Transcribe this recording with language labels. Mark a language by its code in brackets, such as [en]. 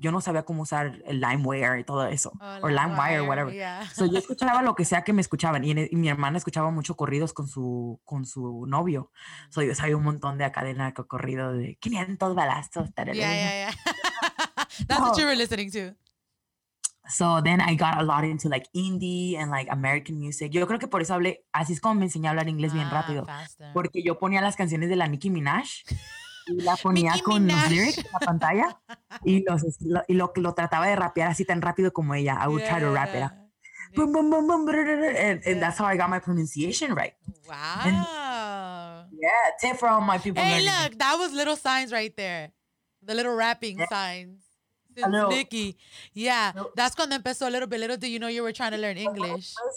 [es] Yo no sabía cómo usar el LimeWire y todo eso. O LimeWire, [en] whatever. Yeah. [es] So yo escuchaba lo que sea que me escuchaban. Y mi hermana escuchaba mucho corridos con su novio. Mm-hmm. So yo sabía un montón de cadena de corrido de 500 balazos. [en] That's what you were listening to. So then I got a lot into, like, indie and, like, American music. [es] Yo creo que por eso hablé, así es como me enseñé a hablar inglés bien rápido. [en] Faster. [es] Porque yo ponía las canciones de la Nicki Minaj y la ponía con Minaj. Los lyrics en la pantalla y lo trataba de rapear así tan rápido como ella. [en] I would try to rap it. Boom, boom, boom, boom, and that's how I got my pronunciation right. Wow. And, yeah, tip for all my people. Hey, learning. Look, that was little signs right there. The little rapping signs. Nicki. Yeah, no. That's [es] cuando empezó [en] a little bit. Little do you know you were trying to learn English.